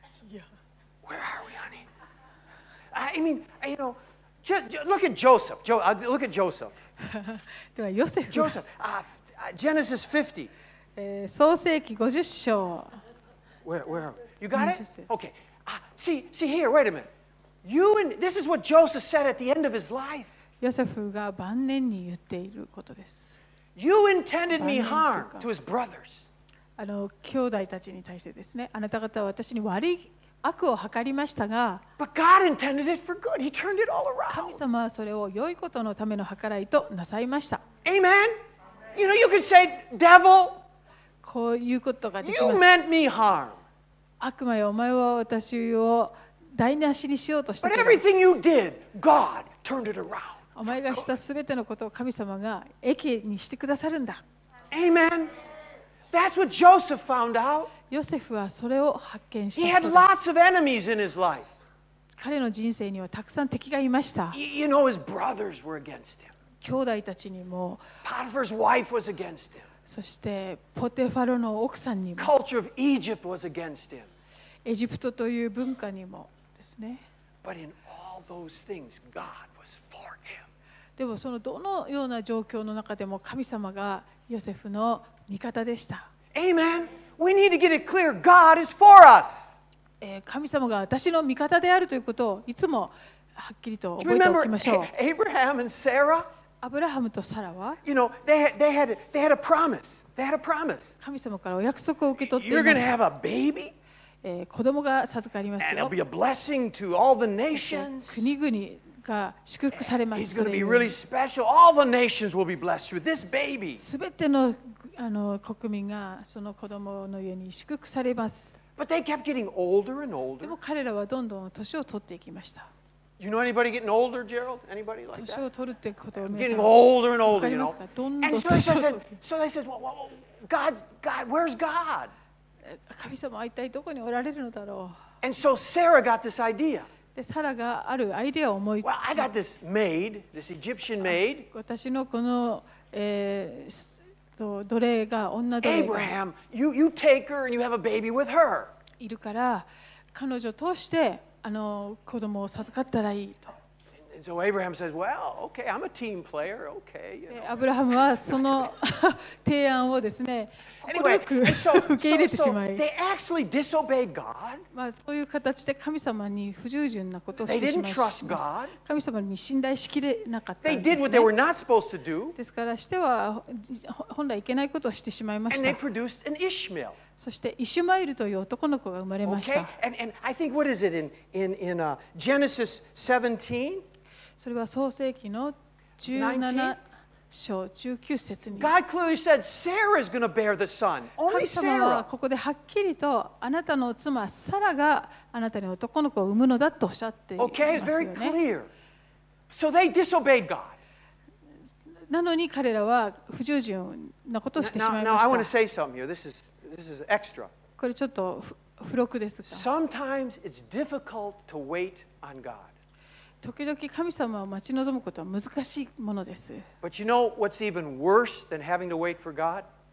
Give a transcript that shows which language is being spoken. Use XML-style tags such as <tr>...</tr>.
<en>Yeah. Where are we, honey? I mean, you know, look at Joseph. Look at Joseph.</en> <ja>ではヨセフ。</ja> <en>Joseph. Genesis 50.</en> <ja>創世記50章。</ja> <en>Where are we? You got it? Okay. See here, wait a minute. You and this is what Joseph said at the end of his life.</en> <ja>Joseph が晩年に言っていることです。</ja> <en>You intended me harm to his brothers.</en> <ja>あの兄弟たちに対してですね、あなた方は私に悪い悪を図りましたが、</ja> <en>But God intended it for good. He turned it all around.</en> <ja>神様はそれを良いことのための計らいとなさいました。</ja> <en>Amen. You know you can say, devil.</en> <ja>こういうことができます。</ja> <en>You meant me harm.</en> <ja>悪魔よ、お前は私を台無しにしようとしてくれ。</ja> <en>But everything you did, God turned it around.</en> <ja>お前がしたすべてのことを神様が益にしてくださるんだ。</ja> <en>Amen. That's what Joseph found out.</en> <ja>ヨセフはそれを発見したそうです。</ja> <en>He had lots of enemies in his life.</en> <ja>彼の人生にはたくさん敵がいました。</ja> <en>You know his brothers were against him.</en> <ja>兄弟たちにも。</ja> <en>Potiphar's wife was against him.</en> <ja>そしてポテファロの奥さんにも</ja> <en>Culture of Egypt was against him.</en> <ja>エジプトという文化にもですね。</ja> <en>But in all those things, God was for him.</en> <ja>でもそのどのような状況の中でも神様がヨセフの味方でした。</ja> <en>Amen. We need to get it clear. God is for us.</en> <ja>神様が私の味方であるということをいつもはっきりと覚えておきましょう。</ja> <en>Abraham and Sarah?</en> <ja>アブラハムとサラは、</ja> <en>you know, they had a promise. They had a promise.</en> <ja>神様からお約束を受け取っています。</ja> <en>You're going to have a baby?</en> <ja>子供が授かりますよ。</ja> <en>And it'll be a blessing to all the nations.</en> <ja>国々が祝福されます。</ja> <en>He's going to be really special. All the nations will be blessed with this baby.</en> <ja>全てのあの国民がその子供の家に祝福されます。</ja> <en>But they kept getting older and older.</en> <ja>でも彼らはどんどん年を取っていきました。</ja> <en>You know anybody getting older, Gerald? Anybody like that?</en> <ja>年を取るってこと</ja> <en>は getting older and older, you know?</en> <ja>どんどん年を取って。</ja> <en>And so they said, God, where's God?</en> <ja>神様は一体どこにおられるのだろう。</ja> <en>And so Sarah got this idea.</en> <ja>でサラがあるアイデアを思いつき。</ja> <en>Well, I got this maid, this Egyptian maid.</en> <ja>私のこの、奴隷が女奴隷が。</ja> <en>Abraham, you take her and you have a baby with her.</en> <ja>いるから彼女を通して。あの子供を授かったらいいと。</ja> <en>So Abraham says, "Well, okay, I'm a team player, okay." You know.</en> <ja>アブラハムはその提案をですね、快く受け入れてしまい。</ja> <en>They actually disobeyed God.</en> <ja>まあそういう形で神様に不従順なことをしてしまい。</ja> <en>They didn't trust God.</en> <ja>神様に信頼しきれなかったんですね。</ja> <en>They did what they were not supposed to do.</en> <ja>ですからしては本来いけないことをしてしまいました。</ja> <en>And they produced an Ishmael.</en> <ja>そしてイシュマイルという男の子が生まれました。</ja> <en>Okay. And I think what is it in Genesis 17?</en> <ja>それは創世記の17章19節に。</ja> <en>God clearly said Sarah is going to bear the son. Only Sarah.</en> <ja>神様はここではっきりとあなたの妻サラがあなたに男の子を産むのだとおっしゃっていますよね。</ja> <en>Okay, it's very clear. So they disobeyed God.</en> <ja>なのに彼らは不従順なことをしてしまいました。</ja> <en>Now, I want to say something here. This is extra.</en> <ja>これちょっと付録ですか。</ja> <en>Sometimes it's difficult to wait on God.</en> <ja>時々神様を待ち望むことは難しいものです。</ja> <en>But you know what's even worse than having to wait for God?</en>